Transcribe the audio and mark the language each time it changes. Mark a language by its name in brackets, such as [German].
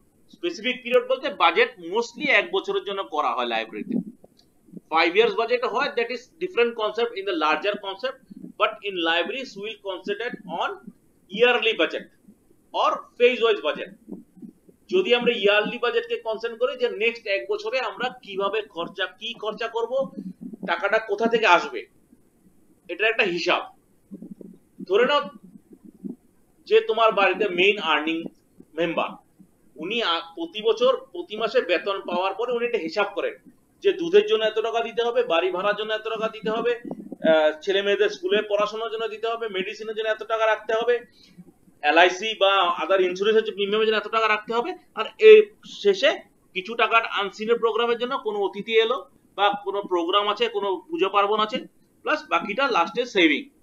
[Bangla] Specific period বলতে budget mostly এক বছরের জন্য করা হয় লাইব্রেরিতে. [English] 5 years budget হয়, that is different concept in the larger concept, but in libraries we'll concentrate on yearly budget or phase wise budget. [Bangla] যদি আমরা yearly budget কে concern করি, যে next এক বছরে আমরা কিভাবে খরচা, কি খরচা করব, টাকাটা কোথা থেকে আসবে, এটা একটা হিসাব. ধরে নাও যে তোমার বাড়িতে main earning member, উনি প্রতি বছর প্রতি মাসে বেতন পাওয়ার পরে উনি এটা হিসাব করেন যে দুধের জন্য এত টাকা দিতে হবে, বাড়ি ভাড়ার জন্য এত টাকা দিতে হবে, ছেলে মেয়েদের স্কুলে পড়াশোনার জন্য দিতে হবে, মেডিসিনের জন্য এত টাকা রাখতে হবে, এলআইসি বা আদার ইন্স্যুরেন্সের প্রিমিয়ামের জন্য এত টাকা রাখতে হবে, আর এই শেষে কিছু টাকার আনসিনের প্রোগ্রামের জন্য কোনো অতিথি এলো বা কোনো প্রোগ্রাম আছে, কোনো পুজো পার্বণ আছে, প্লাস বাকিটা লাস্টে সেভিং.